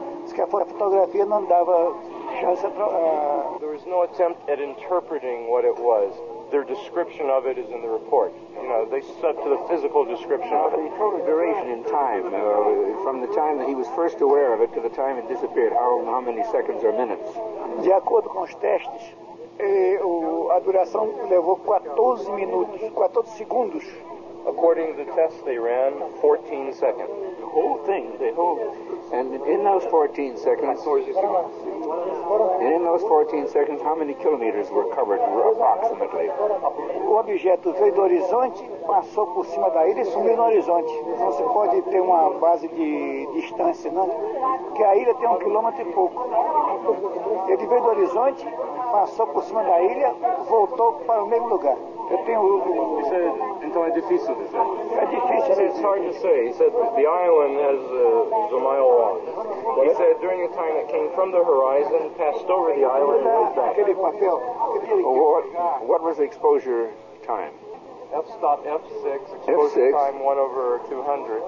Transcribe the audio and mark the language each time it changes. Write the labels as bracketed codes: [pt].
[pt] Diz que a fotografia não dava chance para... [en] There was no attempt at interpreting what it was. Their description of it is in the report. You know, they stuck to the physical description of it. The total duration in time, from the time that he was first aware of it to the time it disappeared, how many seconds or minutes? [pt] De acordo com os testes, a duração levou 14 minutos, 14 segundos. [en] According to the test they ran, 14 seconds. The whole thing, the whole... And in those 14 seconds... And in those 14 seconds, how many kilometers were covered, approximately? [pt] O objeto veio do horizonte, passou por cima da ilha e sumiu no horizonte. Não se pode ter uma base de distância, não? Porque a ilha tem um quilômetro e pouco. Ele veio do horizonte, passou por cima da ilha, voltou para o mesmo lugar. Eu tenho... Então é difícil dizer. É difícil. [en] It's hard to say. He said the island is a mile long. He said during the time it came from the horizon, passed over the island. [pt] Aquele papel. [en] What was the exposure time? F-stop F6, exposure time 1 over 200.